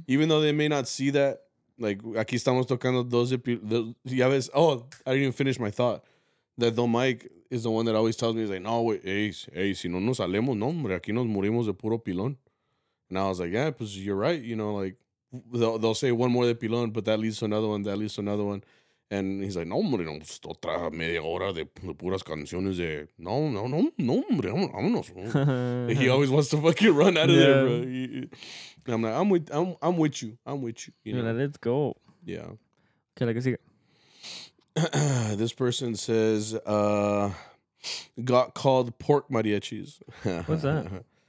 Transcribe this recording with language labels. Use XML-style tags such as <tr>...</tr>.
<en>Even though they may not see that, like,</en> <es>aquí estamos tocando 12. Ya ves?</es> <en>Oh, I didn't even finish my thought. That though Mike is the one that always tells me, he's like, no, wait, hey,</en> <es>si no nos salemos, no, hombre, aquí nos morimos de puro pilón.</es> <en>And I was like, yeah, because you're right. You know, like, they'll say one more</en> <es>de pilón,</es> <en>but that leads to another one, that leads to another one. And he's like,</en> <es>no, hombre, no, otra media hora de puras canciones de, no, hombre, vámonos.</es> <en>He always wants to fucking run out of there, bro. I'm like, I'm with you. You know? Yeah, let's go. Yeah.</en> <es>Que la que siga.</es> <en>This person says, got called pork mariachis. What's that?</en>